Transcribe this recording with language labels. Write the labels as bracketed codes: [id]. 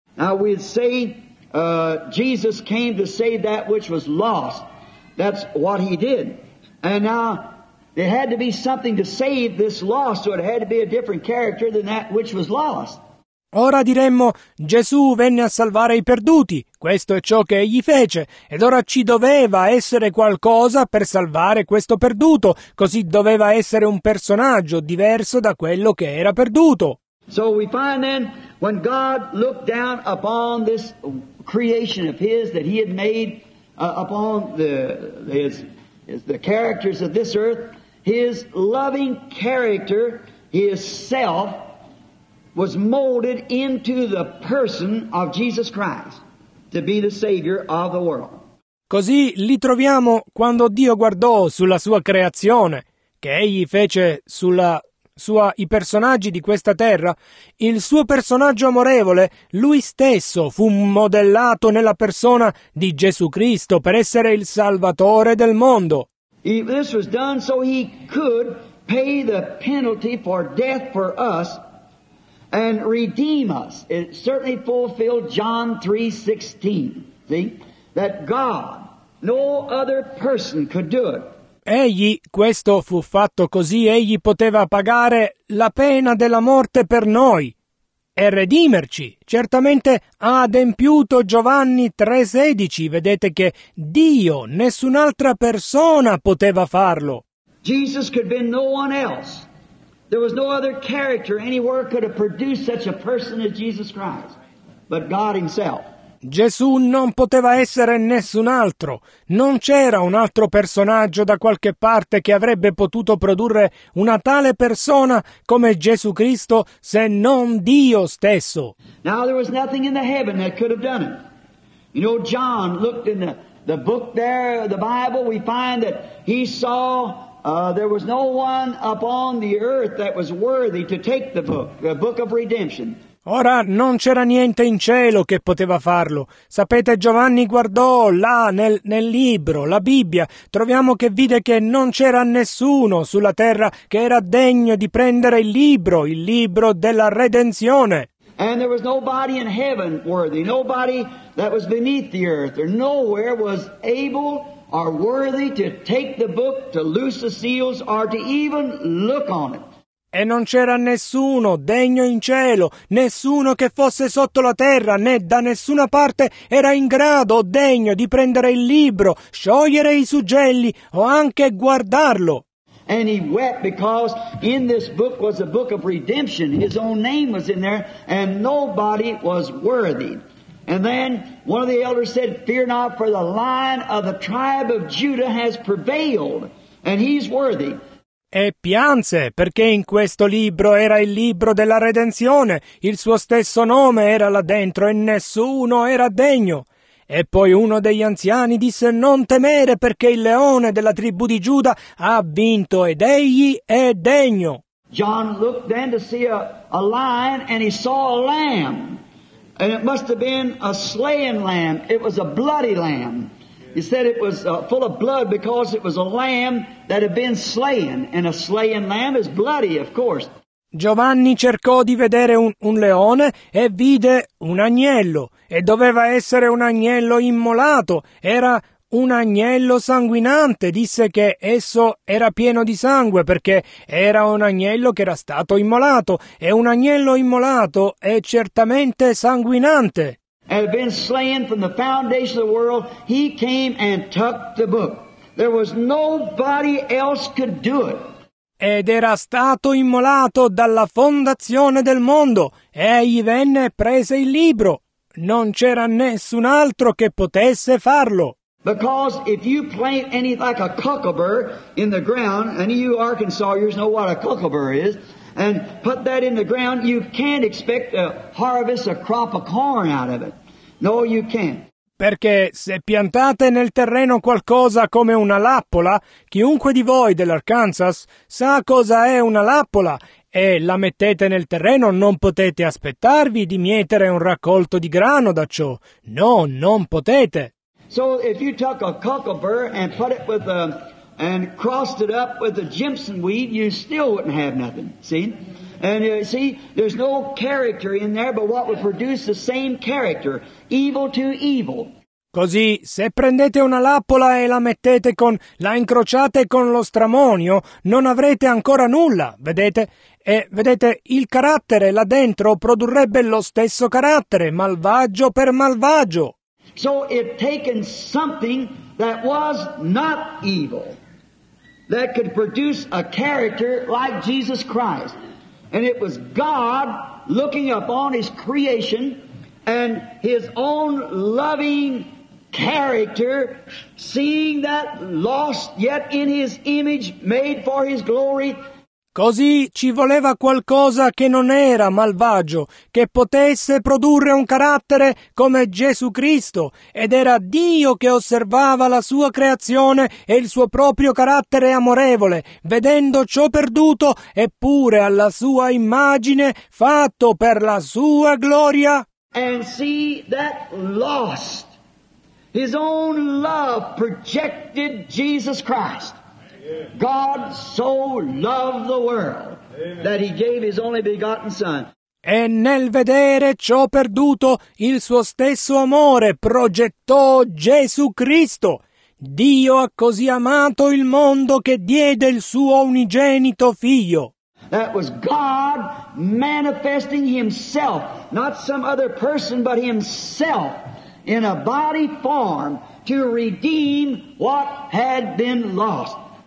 [en] Now we say Jesus came to save that which was lost. That's what he did. And now, there had to be something to save this lost, so it had to be a different character than that which was lost. [it] Ora diremmo, Gesù venne a salvare i perduti, questo è ciò che egli fece, ed ora ci doveva essere qualcosa per salvare questo perduto, così doveva essere un personaggio diverso da quello che era perduto. [en] So we find then, when God looked down upon this creation of his that he had made, upon the characters of this earth, his loving character, his self, was molded into the person of Jesus Christ to be the Savior of the world. [it] Così li troviamo quando Dio guardò sulla sua creazione, che egli fece sulla sua i personaggi di questa terra, il suo personaggio amorevole, lui stesso fu modellato nella persona di Gesù Cristo per essere il Salvatore del mondo. [en] This was done so he could pay the penalty for death for us and redeem us. It certainly fulfilled John 3:16. See? That God, no other person could do it. [it] egli, questo fu fatto così egli poteva pagare la pena della morte per noi e redimerci. Certamente ha adempiuto Giovanni 3,16. Vedete che Dio, nessun'altra persona poteva farlo. [en] Jesus could be no one else. There was no other character anywhere could have produced such a person as Jesus Christ, but God himself. [it] Gesù non poteva essere nessun altro. Non c'era un altro personaggio da qualche parte che avrebbe potuto produrre una tale persona come Gesù Cristo se non Dio stesso. [en] Now there was nothing in the heaven that could have done it. You know, John looked in the book there, the Bible, we find that he saw there was no one upon the earth that was worthy to take the book of redemption. [it] Ora non c'era niente in cielo che poteva farlo. Sapete, Giovanni guardò là nel libro, la Bibbia, troviamo che vide che non c'era nessuno sulla terra che era degno di prendere il libro della redenzione. [en] And there was nobody in heaven worthy, nobody that was beneath the earth, or nowhere was able are worthy to take the book, to loose the seals, or to even look on it. [it] E non c'era nessuno degno in cielo, nessuno che fosse sotto la terra, né da nessuna parte era in grado o degno di prendere il libro, sciogliere i suggelli o anche guardarlo. [en] And he wept because in this book was a book of redemption. His own name was in there, and nobody was worthy. And then one of the elders said, "Fear not, for the Lion of the tribe of Judah has prevailed, and he's worthy." [it] E pianse, perché in questo libro era il libro della redenzione, il suo stesso nome era là dentro e nessuno era degno. E poi uno degli anziani disse, "Non temere, perché il leone della tribù di Giuda ha vinto ed egli è degno." [en] John looked then to see a lion, and he saw a lamb. And it must have been a slain lamb. It was a bloody lamb. He said it was full of blood because it was a lamb that had been slain. And a slain lamb is bloody, of course. [it] Giovanni cercò di vedere un leone e vide un agnello. E doveva essere un agnello immolato. Era un agnello sanguinante. Disse che esso era pieno di sangue perché era un agnello che era stato immolato. E un agnello immolato è certamente sanguinante. [en] Had been slain from the foundation of the world, he came and took the book. There was nobody else could do it. [it] Ed era stato immolato dalla fondazione del mondo. Egli venne e prese il libro. Non c'era nessun altro che potesse farlo. [en] Because if you plant anything like a cucumber in the ground, and you Arkansasers know what a cucumber is, and put that in the ground, you can't expect to harvest a crop of corn out of it. No, you can't. [it] Perché se piantate nel terreno qualcosa come una lappola, chiunque di voi dell'Arkansas sa cosa è una lappola, e la mettete nel terreno, non potete aspettarvi di mietere un raccolto di grano da ciò. No, non potete. [en] So if you took a cucumber and put it with a and crossed it up with the jimson weed, you still wouldn't have nothing, see? And you see, there's no character in there but what would produce the same character, evil to evil. [it] Così, se prendete una lappola e la mettete con, la incrociate con lo stramonio, non avrete ancora nulla, vedete? E vedete, il carattere là dentro produrrebbe lo stesso carattere, malvagio per malvagio. [en] So it taken something that was not evil that could produce a character like Jesus Christ. And it was God looking upon his creation and his own loving character, seeing that lost yet in his image made for his glory. [it] Così ci voleva qualcosa che non era malvagio, che potesse produrre un carattere come Gesù Cristo, ed era Dio che osservava la sua creazione e il suo proprio carattere amorevole, vedendo ciò perduto, eppure alla sua immagine, fatto per la sua gloria. [en] And see that lost, his own love projected Jesus Christ. God so loved the world that he gave his only begotten son. [it] E nel vedere ciò perduto, il suo stesso amore progettò Gesù Cristo. Dio ha così amato il mondo che diede il suo unigenito figlio. [en] That was God manifesting himself, not some other person, but himself in a body form to redeem what had been lost.